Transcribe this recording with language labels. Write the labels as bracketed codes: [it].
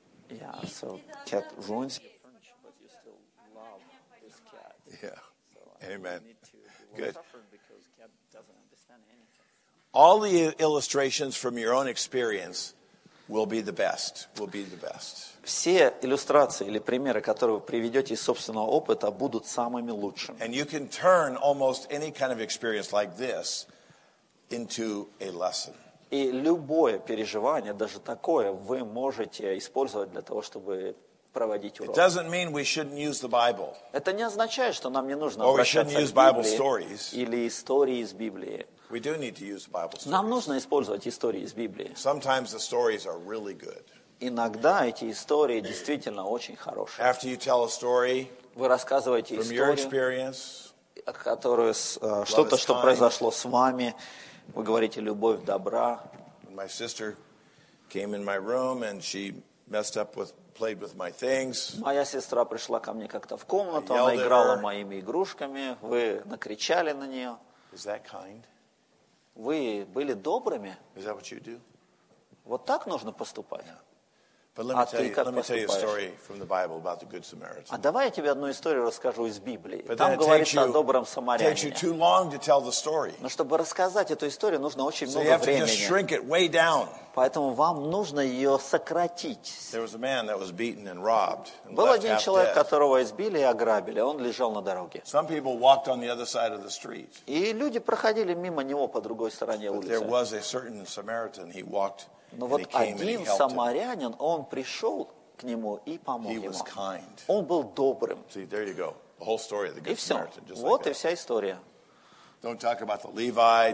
[en] Yeah, so cat ruins your furniture, but you still love this cat. Yeah, amen. Good. Because cat doesn't understand anything. All the illustrations from your own experience will be the best. Will be the best. [ru] Все иллюстрации или примеры, которые вы приведете из собственного опыта, будут самыми лучшими. [en] And you can turn almost any kind of experience like this into a lesson. [ru] И любое переживание, даже такое, вы можете использовать для того, чтобы проводить урок. [en] It doesn't mean we shouldn't use the Bible. [ru] Это не означает, что нам не нужно обращаться к Библии или истории из Библии. [en] We do need to use Bible stories. [ru] Нам нужно использовать истории из Библии. [en] Sometimes the stories are really good. [ru] Иногда эти истории действительно очень хорошие. [en] After you tell a story, [ru] вы рассказываете [en] from [ru] историю, [en] your experience, [ru] которую, что-то, что произошло с вами, вы говорите «любовь, добра». [en] When my sister came in my room and she messed up with, played with my things. [ru] Моя сестра пришла ко мне как-то в комнату, она играла моими игрушками, вы накричали на нее. [en] Is that kind? [ru] Вы были добрыми? [en] Is that what you do? [ru] Вот так нужно поступать? [en] Yeah. But let me tell you, a story from the Bible about the Good Samaritan. [ru] А давай я тебе одну историю расскажу из Библии. Там говорится о добром самарянине. [en] It takes you too long to tell the story. [ru] Но чтобы рассказать эту историю, нужно очень много времени. [en] So you have to just shrink it way down. [ru] Поэтому вам нужно ее сократить. [en] There was a man that was beaten and robbed. [ru] Был один человек, которого избили и ограбили, он лежал на дороге. [en] Some people walked on the other side of the street. [ru] И люди проходили мимо него по другой стороне улицы. [en] But there was a certain Samaritan. He walked. [ru] Но вот один самарянин, он пришел к нему и помог [en] he [ru] ему. [en] Was kind. [ru] Он был добрым. [en] See, there you go. The whole story of the Good Samaritan. Just [ru] вот Вот и вся история. [en] Don't talk about the Levite,